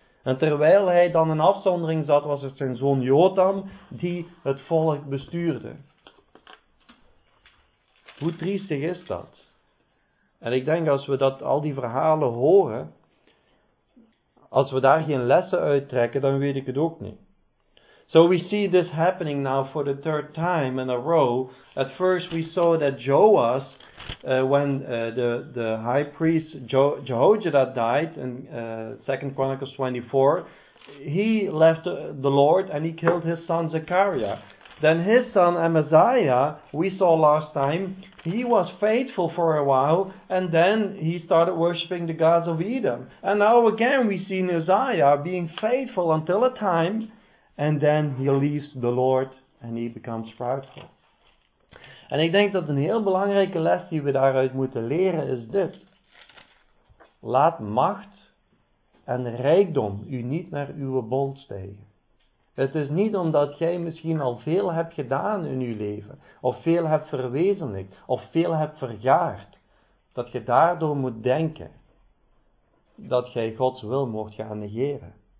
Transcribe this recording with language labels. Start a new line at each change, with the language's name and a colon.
Dutch: En terwijl hij dan in afzondering zat, was het zijn zoon Jotam die het volk bestuurde. Hoe triestig is dat? En ik denk als we dat al die verhalen horen, als we daar geen lessen uit trekken, dan weet ik het ook niet.
English: So we see this happening now for the third time in a row. At first we saw that Joas, when the high priest Jehojada died in 2 Chronicles 24, he left the Lord and he killed his son Zechariah. Then his son Amaziah, we saw last time, he was faithful for a while, and then he started worshipping the gods of Edom. And now again we see Uzziah being faithful until a time, and then he leaves the Lord and he becomes prideful.
Dutch: En ik denk dat een heel belangrijke les die we daaruit moeten leren is dit. Laat macht en rijkdom u niet naar uw bol stijgen. Het is niet omdat jij misschien al veel hebt gedaan in je leven, of veel hebt verwezenlijkt, of veel hebt vergaard, dat je daardoor moet denken dat jij Gods wil mocht gaan negeren.